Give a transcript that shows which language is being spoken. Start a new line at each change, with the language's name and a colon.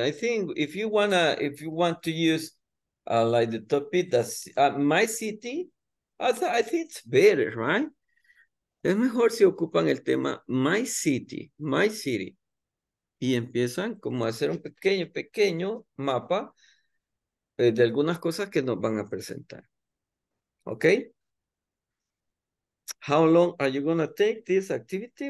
English: I think if you want to use like the topic, that's, my city, I think it's better, right?
Spanish: Es mejor si ocupan el tema
English: my city,
Spanish: y empiezan como a hacer un pequeño, pequeño mapa de algunas cosas que nos van a presentar.
English: Ok. How long are you going to take this activity?